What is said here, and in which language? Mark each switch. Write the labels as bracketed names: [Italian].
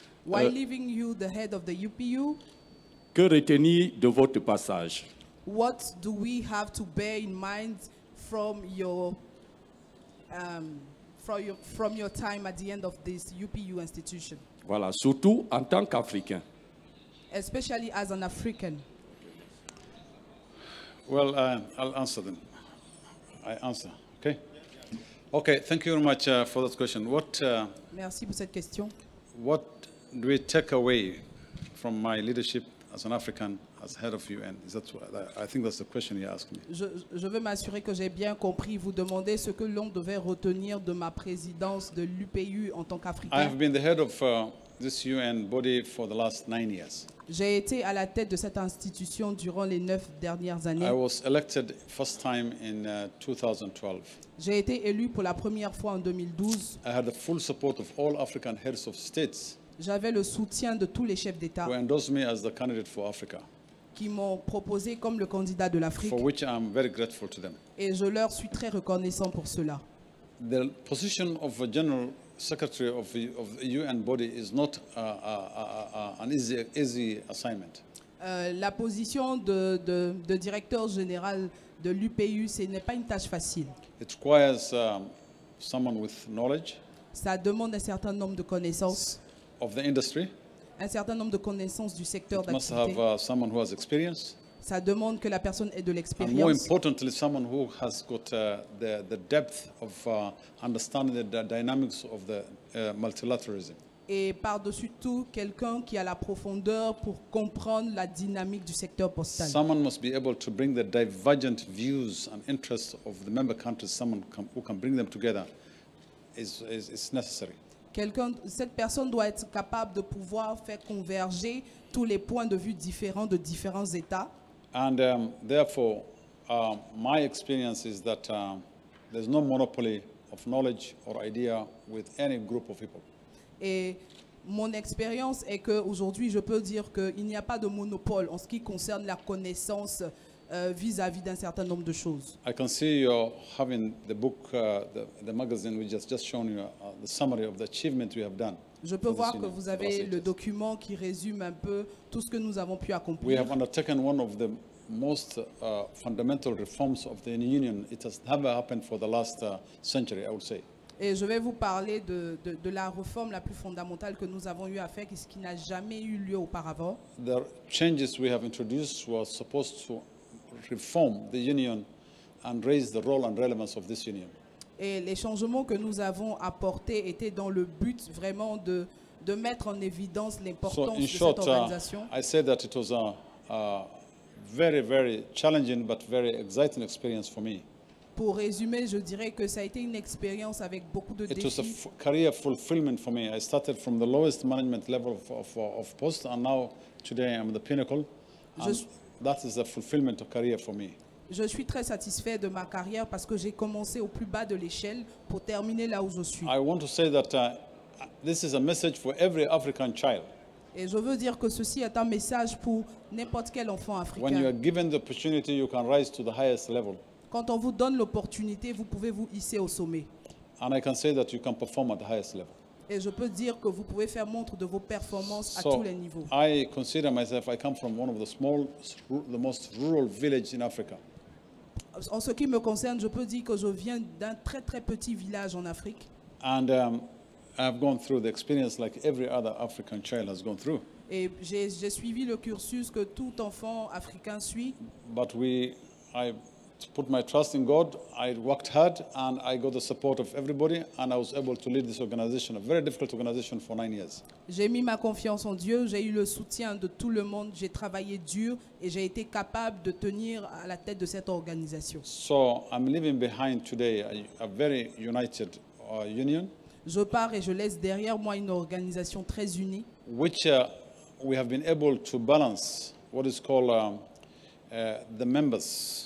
[English] while leaving you the head of the UPU, [French] Que retenir de votre passage? [English] What do we have to bear in mind from your time at the end of this UPU institution? [French] Voilà, surtout en tant qu'Africain. [English] Especially as an African. Well, I'll answer them. I answer, okay? Okay, thank you very much for that question. [French] Merci pour cette question. [English] What do we take away from my leadership as an African, as head of UN? Is that what, I think that's the question you asked me. [French] Je veux m'assurer que j'ai bien compris. Vous demandez ce que l'on devait retenir de ma présidence de l'UPU en tant qu'Africain. [English] I have been the head of this UN body for the last 9 years. [French] J'ai été à la tête de cette institution durant les 9 dernières années. [English] I was elected first time in 2012. [French] J'ai été élu pour la première fois en 2012. [English] I had the full support of all African heads of states. [French] J'avais le soutien de tous les chefs d'État [English] who endorsed me as the candidate for Africa, [French] qui m'ont proposé comme le candidat de l'Afrique. [English] For which I am very grateful to them. [French] Et je leur suis très reconnaissant pour cela. [English] The position of a general secretary of the UN body is not an easy assignment. [French] La position de directeur général de l'UPU, ce n'est pas une tâche facile. [English] It requires someone with knowledge. [French] Ça demande un certain nombre de connaissances. [English] Of the industry. [French] Un certain nombre de connaissances du secteur [English] it [French] d'activité. [English] Must have someone who has experience. [French] Ça demande que la personne ait de l'expérience. [English] And more importantly, someone who has got the depth of understanding the dynamics of the multilateralism. [French] Et par-dessus tout, quelqu'un qui a la profondeur pour comprendre la dynamique du secteur postal. [English] Someone must be able to bring the divergent views and interests of the member countries. Someone who can bring them together is necessary. [French] Cette personne doit être capable de pouvoir faire converger tous les points de vue différents de différents États. [English] And therefore, my experience is that there's no monopoly of knowledge or idea with any group of people. [French] Et mon expérience est que aujourd'hui, je peux dire qu'il n'y a pas de monopole en ce qui concerne la connaissance vis-à-vis d'un certain nombre de choses. [English] I can see you having the book, the magazine we just shown you the summary of the achievements we have done. [French] Je peux voir que vous avez le document qui résume un peu tout ce que nous avons pu accomplir. [English] We have undertaken one of the most fundamental reforms of the Union. It has never happened for the last century, I would say. [French] Et je vais vous parler de la réforme la plus fondamentale que nous avons eu à faire, ce qui n'a jamais eu lieu auparavant. [English] The changes we have introduced were supposed to reform the Union and raise the role and relevance of this Union. [French] Et les changements que nous avons apportés étaient dans le but vraiment de mettre en évidence l'importance [English] so in [French] de [English] short, [French] cette organisation. [English] I said that it was a very, very challenging but very exciting experience for me. [French] Pour résumer, je dirais que ça a été une expérience avec beaucoup de [English] it [French] défis. [English] It was a career fulfillment for me. I started from the lowest management level of post and now today I'm the pinnacle. That is a fulfillment of career for me. [French] Je suis très satisfait de ma carrière parce que j'ai commencé au plus bas de l'échelle pour terminer là où je suis. [English] I want to say that this is a message for every African child. [French] Et je veux dire que ceci est un message pour n'importe quel enfant africain. [English] When you are given the opportunity, you can rise to the highest level. [French] Quand on vous donne l'opportunité, vous pouvez vous hisser au sommet. [English] And I can say that you can perform at the highest level. [French] Et je peux dire que vous pouvez faire montre de vos performances [English] so, [French] à tous les niveaux. [English] I consider myself, I come from one of the small, the most rural village in Africa. [French] En ce qui me concerne, je peux dire que je viens d'un très très petit village en Afrique. [English] And I've gone through the experience like every other African child has gone through. [French] Et j'ai suivi le cursus que tout enfant africain suit. [English] But I put my trust in God. I worked hard and I got the support of everybody and I was able to lead this organization, a very difficult organization for 9 years. [French] J'ai mis ma confiance en Dieu, j'ai eu le soutien de tout le monde, j'ai travaillé dur et j'ai été capable de tenir à la tête de cette organisation. [English] So I'm leaving behind today a very united union. [French] Je pars et je laisse derrière moi une organisation très unie. [English] Which we have been able to balance what is called the members.